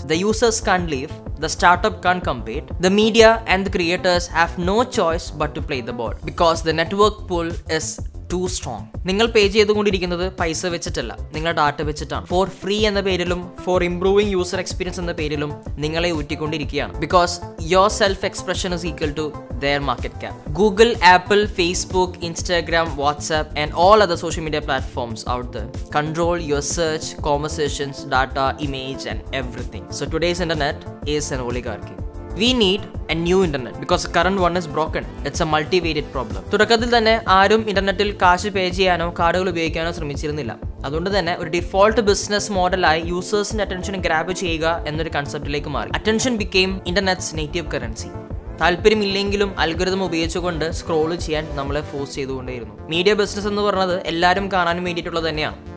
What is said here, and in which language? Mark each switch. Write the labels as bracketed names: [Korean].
[English] The users can't leave, the startup can't compete, the media and the creators have no choice but to play the ball because the network pull is too strong. [Malayalam] നിങ്ങൾ പേ ചെയ്തുകൊണ്ടിരിക്കുന്നത് പൈസ വെച്ചിട്ടല്ല, നിങ്ങളെ data വെച്ചിട്ടാണ്. [English] for free [Malayalam] എന്ന പേരിലും [English] for improving user experience [Malayalam] എന്ന പേരിലും നിങ്ങളെ ഊറ്റിക്കൊണ്ടിരിക്കുകയാണ്. [English] Because your self expression is equal to their market cap. Google, Apple, Facebook, Instagram, WhatsApp and all other social media platforms out the control your search, conversations, data, image and everything. So today's internet is an oligarchy. We need a new internet because the current one is broken. It's a multivariate problem. [Malayalam] തുടക്കത്തിൽ തന്നെ ആരും ഇന്റർനെറ്റിൽ കാശ് പേ ചെയ്യാനോ കാർഡുകൾ ഉപയോഗിക്കാനോ ശ്രമിച്ചിരുന്നില്ല. അതുകൊണ്ട് തന്നെ ഒരു ഡിഫോൾട്ട് ബിസിനസ് മോഡലായി യൂസേഴ്സിന്റെ അറ്റൻഷൻ ഗ്രാബ് ചെയ്യുക എന്നൊരു കൺസെപ്റ്റിലേക്ക് മാറി. [English] Attention became internet's native currency. [Malayalam] താല്പര്യമില്ലെങ്കിലും algorithm ഉപയോഗിച്ചുകൊണ്ട് സ്ക്രോൾ ചെയ്യാൻ നമ്മളെ ഫോഴ്സ് ചെയ്തുകൊണ്ടേയിരുന്നു. മീഡിയ ബിസിനസ് എന്ന് പറഞ്ഞത് എല്ലാവരും കാണാൻ വേണ്ടിയിട്ടുള്ളത് തന്നെയാണ്.